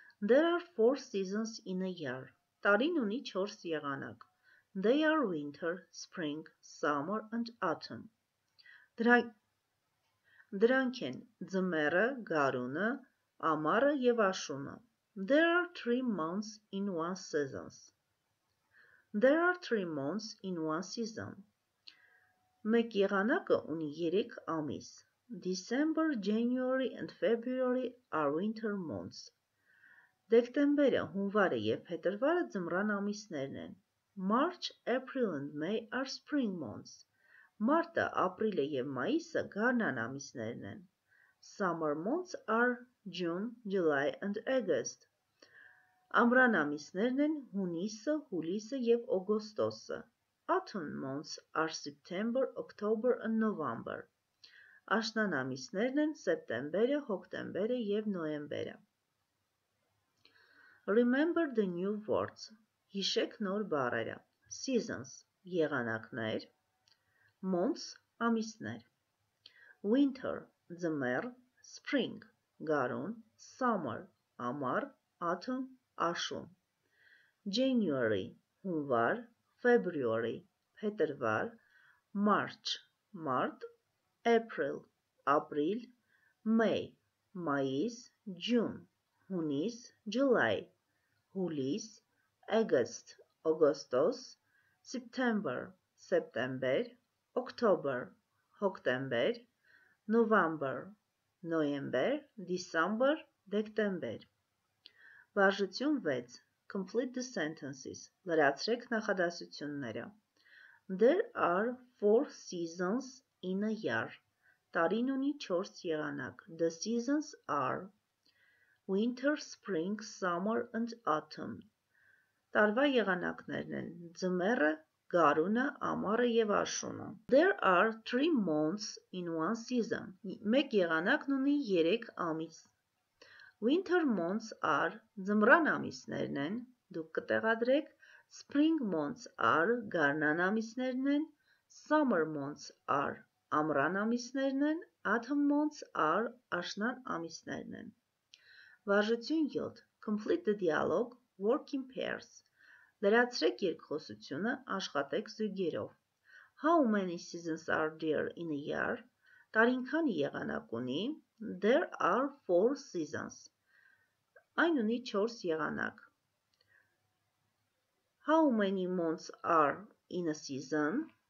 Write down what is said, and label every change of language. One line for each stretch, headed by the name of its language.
English: There are 4 seasons in a year.
Armenian: Տարին ունի 4 եղանակ.
English: They are winter, spring, summer and autumn.
Armenian: Դրանք են ձմեռը, գարունը, ամառը եւ աշունը.
English: There are 3 months in one season. There are 3 months in one season.
Armenian: Մեկ եղանակը ունի 3 ամիս.
English: December, January and February are winter months.
Armenian: Դեկտեմբերը, հունվարը եւ փետրվարը ձմռան ամիսներն են.
English: March, April and May are spring months.
Armenian: Մարտը, ապրիլը եւ մայիսը գարնան ամիսներն են.
English: Summer months are June, July and August.
Armenian: Ամռան ամիսներն են հունիսը, հուլիսը եւ օգոստոսը.
English: Autumn months are September, October and November.
Armenian: Աշնան ամիսներն են սեպտեմբերը, հոկտեմբերը եւ նոեմբերը.
English: Remember the new words.
Armenian: Հիշեք նոր բառերը.
English: Seasons, եղանակներ. Months, ամիսներ. Winter, ձմեռ. Spring, գարուն. Summer, ամառ. Autumn, աշուն. January, հունվար. February, փետրվար. March, մարտ. April, ապրիլ. May, մայիս. June, հունիս. July, հուլիս. August, Augustos, September, September, October, Hoktember, November, Noyember, December, Dektember.
Armenian: Վարժություն 6.
English: Complete the sentences.
Armenian: Լրացրեք նախադասությունները.
English: There are 4 seasons in a year.
Armenian: Տարին ունի 4 եղանակ.
English: The seasons are winter, spring, summer and autumn.
Armenian: Տարվա եղանակներն են ձմեռը, գարունը, ամառը եւ աշունը.
English: There are 3 months in one season.
Armenian: Մեկ եղանակն ունի 3 ամիս.
English: Winter months are
Armenian: ձմռան ամիսներն են, դուք կտեղադրեք.
English: Spring months are
Armenian: գարնան ամիսներն են.
English: Summer months are
Armenian: ամռան ամիսներն են.
English: Autumn months are
Armenian: աշնան ամիսներն են. Վարժություն 7.
English: Complete the dialogue. Work in pairs.
Armenian: Լրացրեք երկխոսությունը, աշխատեք զույգերով.
English: How many seasons are there in a year?
Armenian: Տարին քանի եղանակ ունի?
English: There are 4 seasons.
Armenian: Այն ունի 4 եղանակ.
English: How many months are in a season?